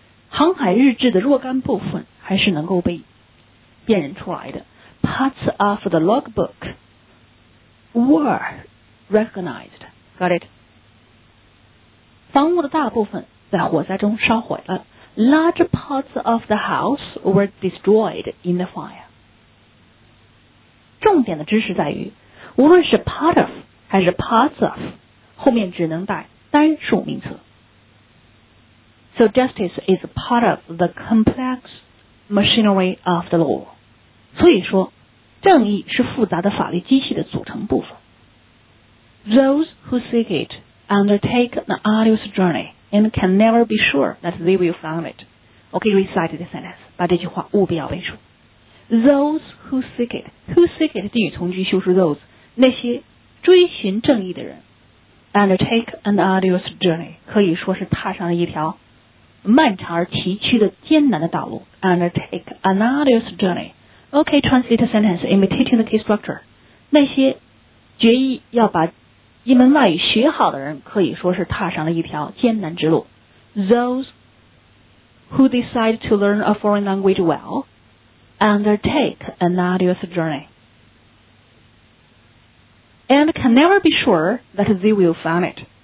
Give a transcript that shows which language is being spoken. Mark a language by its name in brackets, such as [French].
[Chinese] 航海日志的若干部分还是能够被辨认出来的。 [English] Parts of the logbook were recognized. Got it? [Chinese] 房屋的大部分在火灾中烧毁了。 [English] Large parts of the house were destroyed in the fire. [Chinese] 重点的知识在于，无论是 part of 还是 parts of, 后面只能带单数名词。 [English] So justice is part of the complex machinery of the law. [Chinese] 所以说，正义是复杂的法律机器的组成部分。 [English] Those who seek it undertake an arduous journey and can never be sure that they will find it. Okay, recite the sentence. [Chinese] 把这句话务必要背出。 [English] Those who seek it. Who seek it? [Chinese] 定语从句修饰 those. 那些追寻正义的人。 [English] Undertake an arduous journey. [Chinese] 可以说是踏上了一条漫长而崎岖的艰难的道路 Undertake an arduous journey. [English] OK, translate a sentence imitating the key structure. [Chinese] 那些决意要把一门外语学好的人可以说是踏上了一条艰难之路。 [English] Those who decide to learn a foreign language well undertake an arduous journey and can never be sure that they will find it.